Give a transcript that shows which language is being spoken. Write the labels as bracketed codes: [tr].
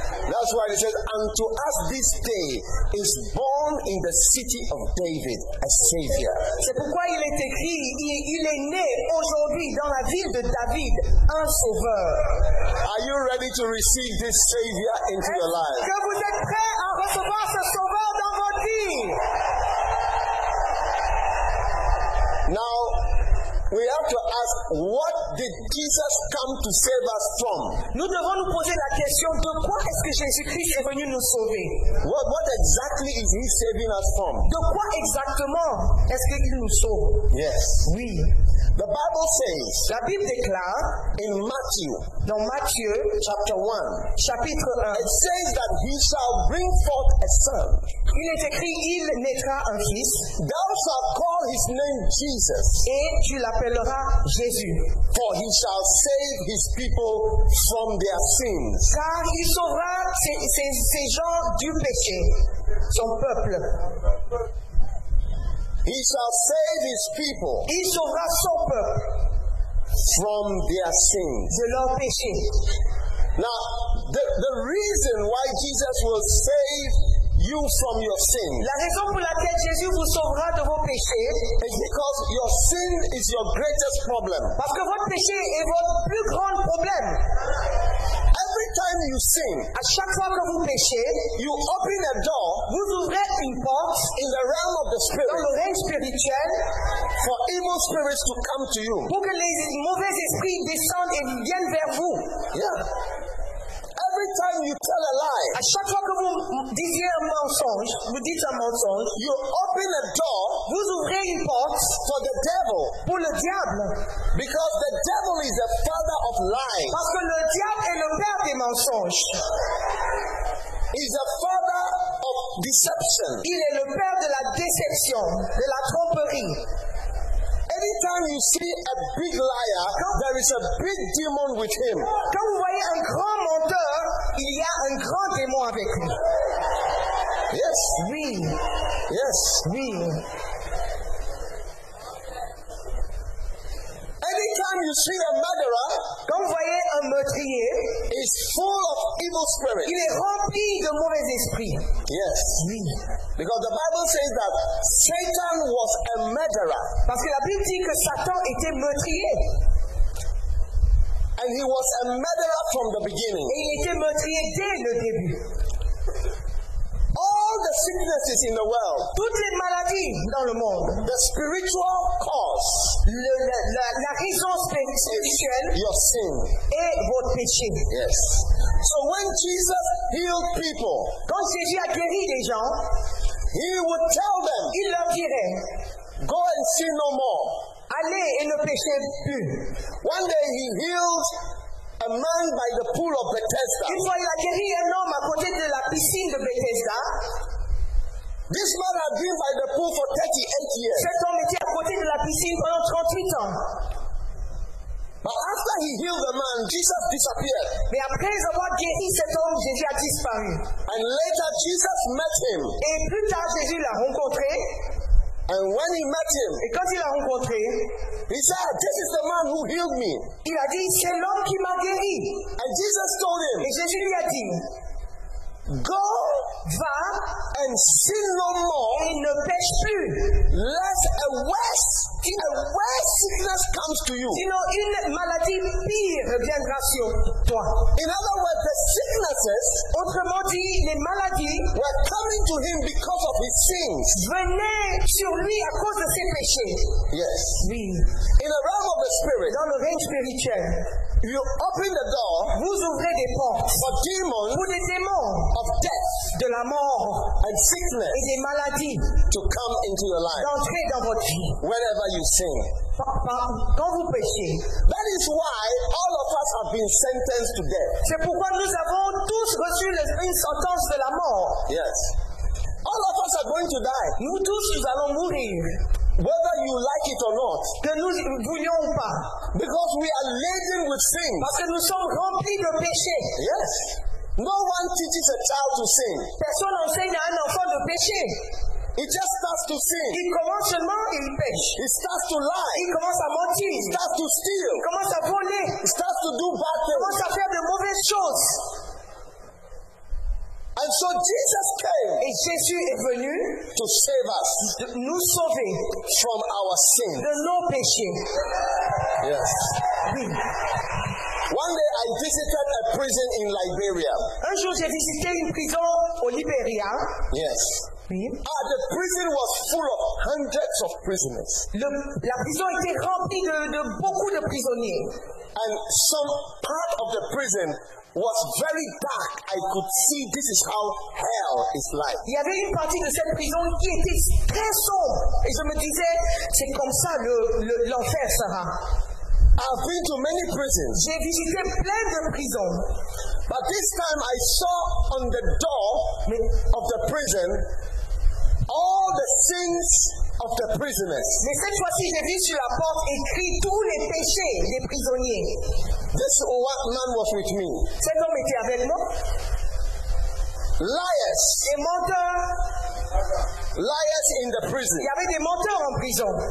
[en] That's why it says, and to us this day is born in the city of David, a savior. [fr] C'est pourquoi il est écrit, il est né aujourd'hui dans la ville de David, un sauveur. [en] Are you ready to receive this savior into your life? [fr] Que vous êtes prêt à recevoir ce sauveur dans votre vie? [en] Now, we have to ask, what did Jesus come to save us from? [fr] Nous devons nous poser la question, de quoi est-ce que Jésus-Christ est venu nous sauver? [en] What exactly is he saving us from? [fr] De quoi exactement est-ce qu'il nous sauve? [en] Yes. [fr] Oui. [en] The Bible says, [fr] la Bible déclare, [en] in Matthew, [fr] dans Matthieu, [en] chapter 1, [fr] chapitre 1, [en] it says that he shall bring forth a son. [fr] Il est écrit, il naîtra un fils. [en] Thou shalt call his name Jesus. [fr] Et tu l'appelleras Jésus. [en] For he shall save his people from their sins. [fr] Car il sauvera ces gens du péché, son peuple. [en] He shall save his people. [fr] Il sauvera son peuple. [en] From their sins. [fr] De leur péché. [en] Now, the reason why Jesus will save you from your sin. [fr] La raison pour laquelle Jésus vous sauvera de vos péchés [en] is because your sin is your greatest problem. [fr] Parce que votre péché est votre plus grand problème. [en] Every time you sin, [fr] à chaque fois que vous péchez, [en] you open a door, [fr] vous ouvrez une porte [en] in the realm of the spirit, [fr] dans le règne spirituel, [en] for evil spirits to come to you. [fr] Pour que les mauvais esprits descendent et viennent vers vous. [en] Yeah. Every time you tell a lie, [fr] à chaque fois que vous disiez un mensonge, vous dites un mensonge, [en] you open a door, [fr] vous ouvrez une porte [en] for the devil, [fr] pour le diable, [en] because the devil is the father of lies, [fr] parce que le diable est le père des mensonges, [en] is the father of deception, [fr] il est le père de la déception, de la tromperie. [en] Anytime you see a big liar, there is a big demon with him. [fr] Quand vous voyez un grand menteur, il y a un grand démon avec lui. [en] Yes. [fr] Oui. [en] Yes. [fr] Oui. [en] Anytime you see a murderer, [fr] quand vous voyez un meurtrier, [en] is full of evil spirits. [fr] Il est rempli de mauvais esprits. [en] Yes. [fr] Oui. [en] Because the Bible says that Satan was a murderer. [fr] Parce que la Bible dit que Satan était meurtrier. [en] And he was a murderer from the beginning. [fr] Et il était meurtrier dès le début. [en] All the sicknesses in the world, [fr] toutes les maladies dans le monde, [en] the spiritual cause, [fr] la raison spirituelle, [en] your sin, [fr] et votre péché. [en] Yes. So when Jesus healed people, [fr] quand Jésus a guéri des gens, [en] he would tell them, [fr] il leur dirait, [en] go and sin no more, [fr] allez et ne péchez plus. [en] One day he healed a man by the pool of Bethesda. [fr] Une fois, il a guéri un homme à côté de la piscine de Bethesda. [en] This man had been by the pool for 38 years. [fr] Cet homme était à côté de la piscine pendant 38 ans. [en] But after he healed the man, Jesus disappeared. [fr] Mais après avoir guéri cet homme, Jésus a disparu. [en] And later, Jesus met him. [fr] Et plus tard, Jésus l'a rencontré. [en] And when he met him, [fr] et quand il l'a rencontré, [en] he said, "This is the man who healed me." [fr] Il a dit, c'est l'homme qui m'a guéri. [en] And Jesus told him, [fr] et Jésus lui a dit, [en] go, [fr] va, [en] and sin no more, [fr] et ne pêche plus, [en] lest a worse sickness comes to you. [fr] Sinon une maladie pire viendra sur toi. [en] In other words, the sicknesses, [fr] autrement dit, les maladies, [en] were coming to him because of his sins. [fr] Venaient sur lui à cause de ses péchés. [en] Yes. [fr] Oui. [en] In the realm of the spirit, [fr] dans le règne spirituel, [en] you open the door, [fr] vous ouvrez des portes, [en] for demons, [fr] pour des démons, [en] of death, [fr] de la mort, [en] and sickness, [fr] et des maladies, [en] to come into your life, [fr] d'entrer dans votre vie, [en] whenever you sin. [fr] Quand vous péchez, [en] that is why all of us have been sentenced to death. [fr] C'est pourquoi nous avons tous reçu une sentence de la mort. [en] Yes. All of us are going to die. [fr] Nous tous, nous allons mourir. [en] Whether you like it or not. [fr] Que nous voulions ou pas. [en] Because we are laden with sins. [fr] Parce que nous sommes remplis de péchés. [en] Yes. No one teaches a child to sin. [fr] Personne n'enseigne à un enfant de péché. [en] He just starts to sin. [fr] Il commence seulement, il pêche. [en] He starts to lie. [fr] Il commence à mentir. [en] He starts to steal. [fr] Il commence à voler. [en] He starts to do bad things. [fr] Il commence à faire de mauvaises choses. [en] And so Jesus came. [fr] Et Jésus est venu [en] to save us, [fr] de nous sauver [en] from our sins, [fr] de nos péchés. [en] Yes. [fr] Oui. [en] One day I visited a prison in Liberia. [fr] Un jour j'ai visité une prison au Liberia. [en] Yes. [fr] Oui. [en] Ah, the prison was full of hundreds of prisoners. [fr] La prison était remplie de beaucoup de prisonniers. [en] And some part of the prison was very dark. I could see this is how hell is like. [fr] Il y avait une partie de cette prison qui était très sombre. Et je me disais, c'est comme ça l'enfer sera. [en] I've been to many prisons. [fr] J'ai visité plein de prisons. [en] But this time I saw on the door of the prison all the sins of the prisoners. [fr] Mais cette fois-ci, j'ai vu sur la porte écrit tous les péchés des prisonniers. [en] This man was with me. [fr] Cet homme était avec moi. [en] Liars. [fr] Des menteurs. [en] Liars in the prison. [fr] Il y avait des menteurs en prison.